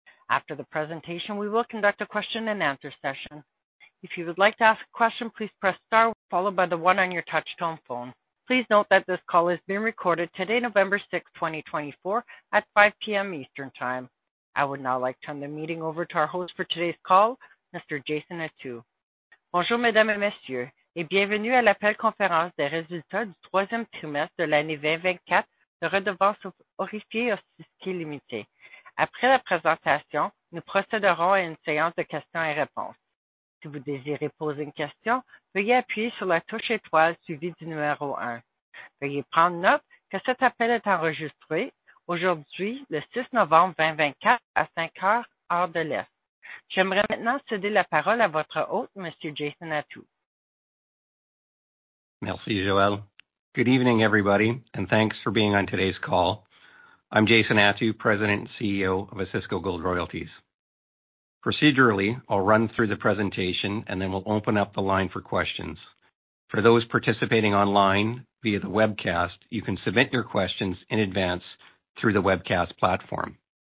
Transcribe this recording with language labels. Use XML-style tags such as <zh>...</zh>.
<en>After the presentation, we will conduct a question-and-answer session. If you would like to ask a question, please press star followed by the one on your touch-tone phone. Please note that this call is being recorded today, November 6, 2024, at 5:00 P.M. Eastern Time. I would now like to turn the meeting over to our host for today's call, Mr. Jason Attew.</en> <fr>Bonjour, mesdames et messieurs, et bienvenue à l'appel conférence des résultats du troisième trimestre de l'année 2024 de Redevances Aurifiées Osisko Limitée. Après la présentation, nous procéderons à une séance de questions et réponses. Si vous désirez poser une question, veuillez appuyer sur la touche étoile suivie du numéro 1. Veuillez prendre note que cet appel est enregistré aujourd'hui, le 6 novembre 2024, à 5 heures, heure de l'Est. J'aimerais maintenant céder la parole à votre hôte, Monsieur Jason Attew. Merci, Joelle.</fr> <en>Good evening, everybody, and thanks for being on today's call. I'm Jason Attew, President and CEO of Osisko Gold Royalties. Procedurally, I'll run through the presentation, and then we'll open up the line for questions. For those participating online via the webcast, you can submit your questions in advance through the webcast platform.</en>